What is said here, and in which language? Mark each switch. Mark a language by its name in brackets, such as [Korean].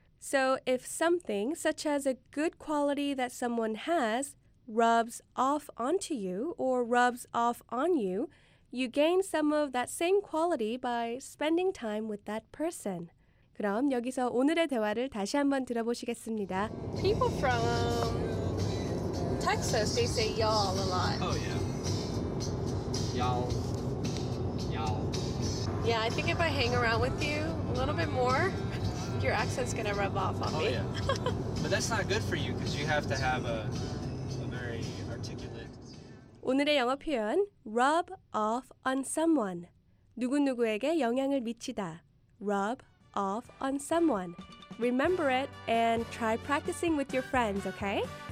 [English] So if something such as a good quality that someone has rubs off onto you or rubs off on you, you gain some of that same quality by spending time with that person. [Korean] 그럼 여기서 오늘의 대화를 다시 한번 들어보시겠습니다. [English] People from Texas, they say y'all a lot. Oh, yeah. Y'all. Yeah, I think if I hang around with you a little bit more, your accent's gonna rub off on me. Oh, yeah. But that's not good for you because you have to have a very articulate... [Korean] 오늘의 영어 표현, [English] rub off on someone. [Korean] 누구누구에게 영향을 미치다. [English] Rub off on someone. Remember it and try practicing with your friends, okay?